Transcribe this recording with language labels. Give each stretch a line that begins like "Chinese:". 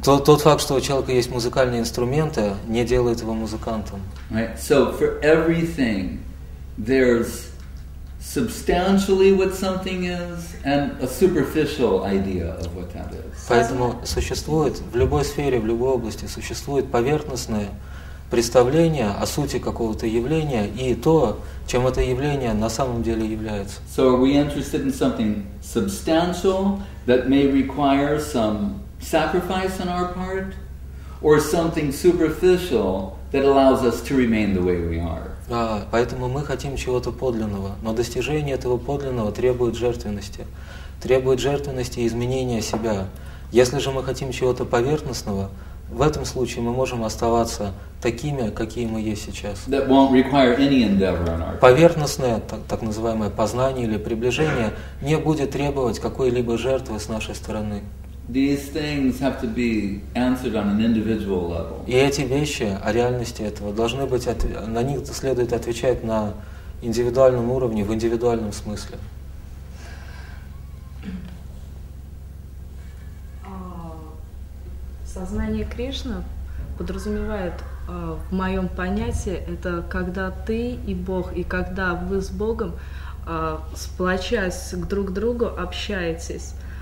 Russian: Тот факт, что у человека есть музыкальные инструменты, не делает его музыкантом.
English: So for everything, there's substantially what something is and a superficial idea of what that is.
Russian: Поэтому существует в любой сфере, в любой области существует поверхностное представление о сути какого-то явления и то, чем это явление на самом деле является.
English: So are we interested in something substantial that may require some sacrifice on our part or something superficial that allows us to remain the way we are?
Russian: Да, поэтому мы хотим чего-то подлинного, но достижение этого подлинного требует жертвенности. Требует жертвенности и изменения себя. Если же мы хотим чего-то поверхностного, в этом случае мы можем оставаться такими, какие мы есть сейчас.
English: That won't require any endeavor on our part.
Russian: Поверхностное, так называемое познание или приближение, не будет требовать какой-либо жертвы с нашей стороны.
English: These things have to be answered on an individual level.
Russian: И эти вещи о реальности этого должны быть на них следует отвечать на индивидуальном уровне, в индивидуальном смысле. Сознание Кришны подразумевает в моем понятии это когда ты и Бог, и когда вы с Богом сплочаясь друг к другу общаетесь.